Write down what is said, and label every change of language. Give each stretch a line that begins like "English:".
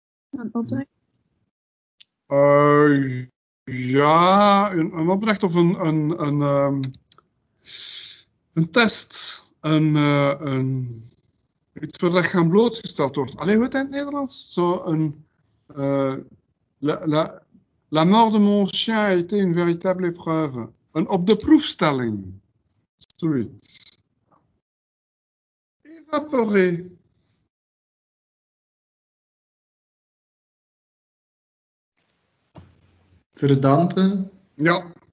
Dutch: Een opdracht? Ja, een opdracht of een test, een iets waar dat gaan blootgesteld wordt. Allee, hoe het in het Nederlands? Zo een...
French: La mort de mon chien a été une véritable épreuve.
Dutch: Een op de proefstelling. Zoiets. Evaporé. Verdampen? Ja.